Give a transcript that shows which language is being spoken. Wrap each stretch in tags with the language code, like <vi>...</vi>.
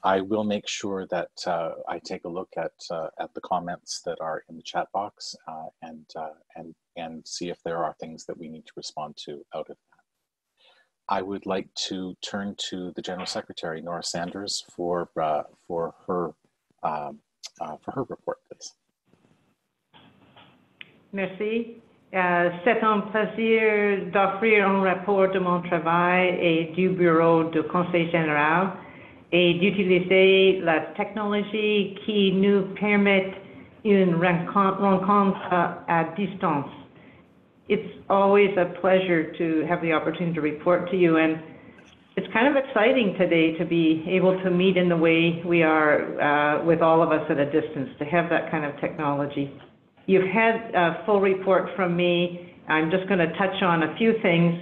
<en>I will make sure that I take a look at the comments that are in the chat box and see if there are things that we need to respond to out of that. I would like to turn to the General Secretary, Nora Sanders, for her report, please.</en> <fr>Merci. C'est un plaisir d'offrir un rapport de mon travail et du Bureau du Conseil Général et d'utiliser la technologie qui nous permet une rencontre à distance.</fr> <en>It's always a pleasure to have the opportunity to report to you, and it's kind of exciting today to be able to meet in the way we are with all of us at a distance, to have that kind of technology. You've had a full report from me. I'm just going to touch on a few things.</en>